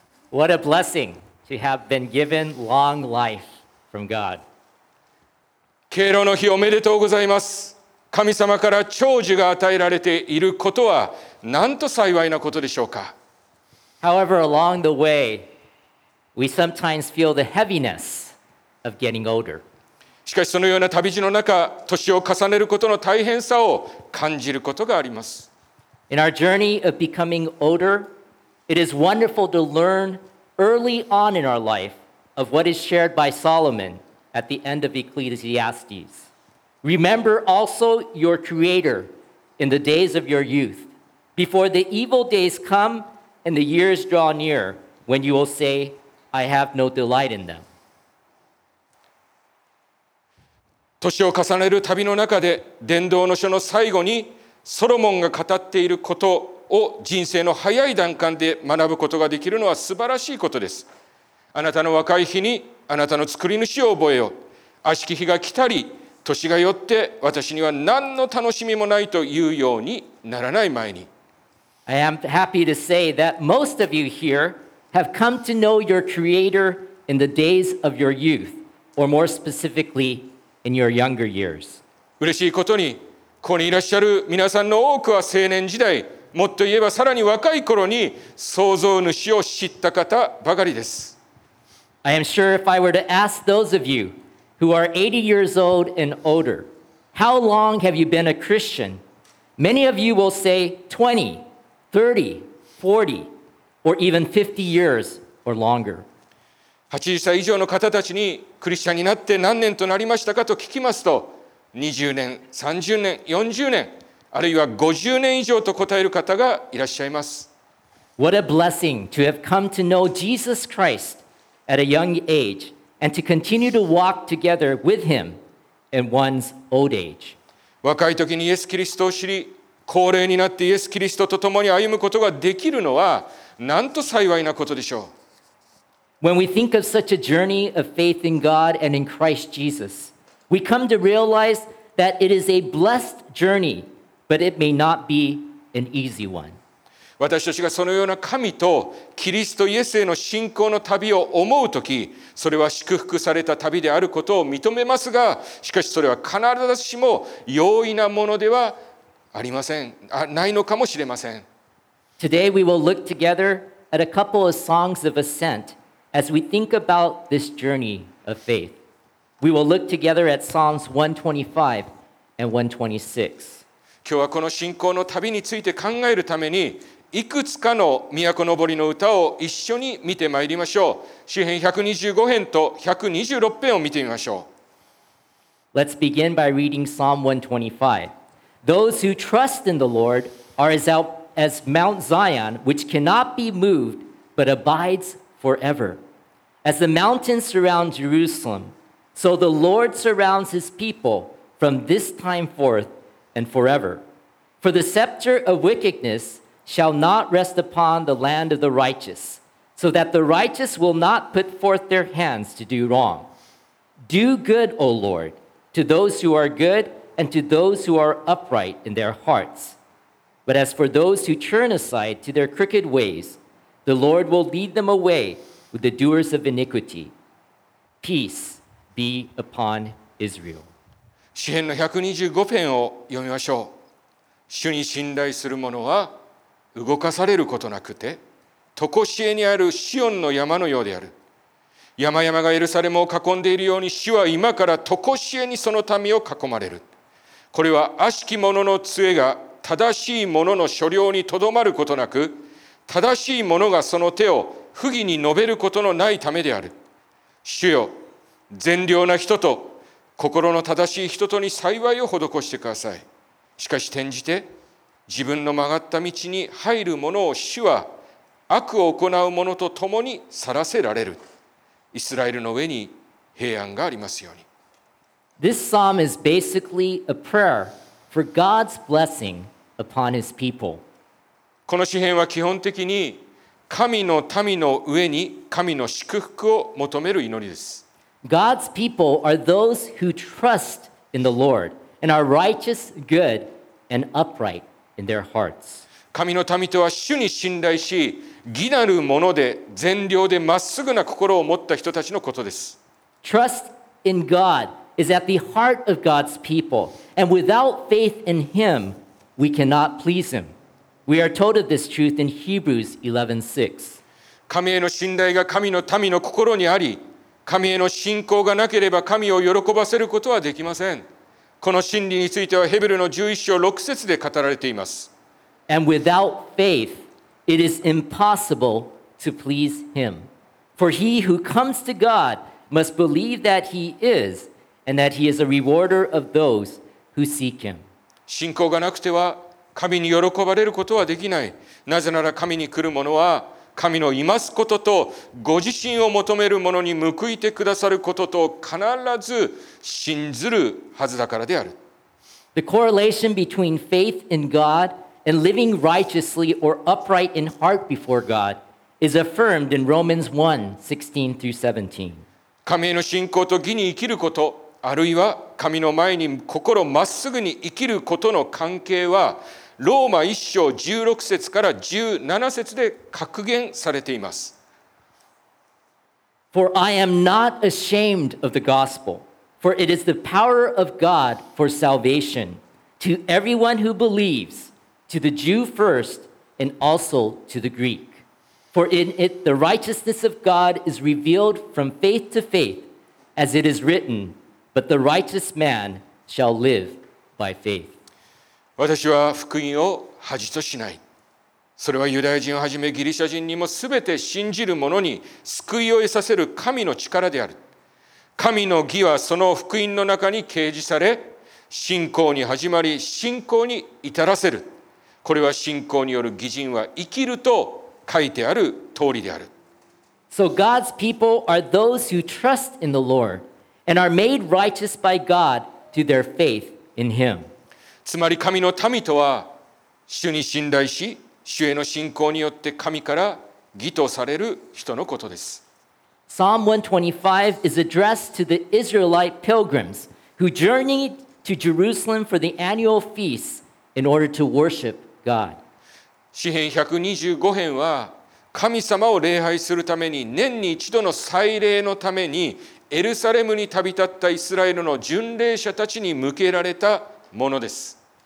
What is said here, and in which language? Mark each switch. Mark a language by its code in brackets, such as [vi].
[en] What a blessing to have been given long life from God. [ja] Keiro no Hi, おめでとうございます。神様から長寿が与えられていることはなんと幸いなことでしょうか。 [en] However, along the way, we sometimes feel the heaviness of getting older. [ja] しかしそのような旅路の中、年を重ねることの大変さを感じることがあります。 [en] In our journey of becoming older, it is wonderful to learn early on in our life of what is shared by Solomon at the end of Ecclesiastes. Remember also your Creator in the days of your youth, before the evil days come and the years draw near, when you will say, I have no delight in them. [ja] 年を重ねる旅の中で、伝道の書の最後に、ソロモンが語っていることを人生の早い段階で学ぶことができるのは素晴らしいことです。あなたの若い日にあなたの作り主を覚えよ。悪しき日が来たり、年が寄って私には何の楽しみもないというようにならない前に。 [en] I am happy to say that most of you here have come to know your Creator in the days of your youth, or more specifically, in your younger years. [ja] 嬉しいことに、ここにいらっしゃる皆さんの多くは青年時代、もっと言えばさらに若い頃に創造主を知った方ばかりです。 [en] I am sure if I were to ask those of you who are 80 years old and older, how long have you been a Christian? Many of you will say 20, 30, 40, or even 50 years or longer. [ja] 80歳以上の方たちにクリスチャンになって何年となりましたかと聞きますと、20年、30年、40年、あるいは50年以上と答える方がいらっしゃいます。 [en] What a blessing to have come to know Jesus Christ at a young age and to continue to walk together with him in one's old age. [ja] 若い時にイエス・キリストを知り、高齢になってイエス・キリストと共に歩むことができるのは、なんと幸いなことでしょう。 [en] When we think of such a journey of faith in God and in Christ Jesus,We come to realize that it is a blessed journey, but it may not be an easy one. [ja] 私たちがそのような神とキリストイエスへの信仰の旅を思うとき、それは祝福された旅であることを認めますが、しかしそれは必ずしも容易なものではありません、ないのかもしれません。 [en] Today we will look together at a couple of songs of ascent as we think about this journey of faith. We will look together at Psalms 125 and 126. [ja] 今日はこの信仰の旅について考えるためにいくつかの都のぼりの歌を一緒に見てまいりましょう。詩編125編と126編を見てみましょう。 [en] Let's begin by reading Psalm 125. Those who trust in the Lord are as Mount Zion, which cannot be moved, but abides forever. As the mountains surround Jerusalem,So the Lord surrounds his people from this time forth and forever. For the scepter of wickedness shall not rest upon the land of the righteous, so that the righteous will not put forth their hands to do wrong. Do good, O Lord, to those who are good and to those who are upright in their hearts. But as for those who turn aside to their crooked ways, the Lord will lead them away with the doers of iniquity. Peace. Be upon Israel. [ja] 詩編の125編を読みましょう。主に信頼する者は動かされることなくて、常しえにあるシオンの山のようである。山々がエルサレムを囲んでいるように、主は今から常しえにその民を囲まれる。これは悪しき者の杖が正しい者の所領にとどまることなく、正しい者がその手を不義に述べることのないためである。主よ、善良な人と心の正しい人とに幸いを施してください。しかし転じて自分の曲がった道に入る者を主は悪を行う者と共に去らせられる。イスラエルの上に平安がありますように。 [en] This psalm is basically a prayer for God's blessing upon his people. [ja] この詩編は基本的に神の民の上に神の祝福を求める祈りです。 [en] God's people are those who trust in the Lord and are righteous, good, and upright in their hearts. [ja] 神の民とは主に信頼し、義なるもので善良でまっすぐな心を持った人たちのことです。 [en] Trust in God is at the heart of God's people, and without faith in Him, we cannot please Him. We are told of this truth in Hebrews 11:6. [ja] 神への信頼が神の民の心にあり、神への信仰がなければ神を喜ばせることはできません。この真理についてはヘブルの11章6節で語られています。 [en] And without faith, it is impossible to please Him. For he who comes to God must believe that He is, and that He is a rewarder of those who seek Him. [ja] 信仰がなくては神に喜ばれることはできない。なぜなら神に来る者は神のいますこととご自身を求める者に報いてくださることと必ず信ずるはずだからである。 [en] The correlation between faith in God and living righteously or upright in heart before God is affirmed in Romans 1:16-17. [ja] 神への信仰と義に生きること、あるいは神の前に心まっすぐに生きることの関係は、ローマ1章16節から17節で格言されています。 [en] For I am not ashamed of the gospel, for it is the power of God for salvation to everyone who believes, to the Jew first and also to the Greek. For in it the righteousness of God is revealed from faith to faith, as it is written, but the righteous man shall live by faith. [ja] 私は福音を恥としない。それはユダヤ人をはじめギリシャ人にもすべて信じる者に救いを得させる神の力である。神の義はその福音の中に掲示され、信仰に始まり信仰に至らせる。これは信仰による義人は生きると書いてある通りである。 [en] So God's people are those who trust in the Lord and are made righteous by God through their faith in Him. [ja] つまり神の民とは主に信頼し主への信仰によって神から義とされる人のことです。 [en] Psalm 125 is addressed to the Israelite pilgrims who journeyed to Jerusalem for the annual feasts in order to worship God. [ja] 詩編125編は神様を礼拝するために年に一度の祭礼のためにエルサレムに旅立ったイスラエルの巡礼者たちに向けられたものです。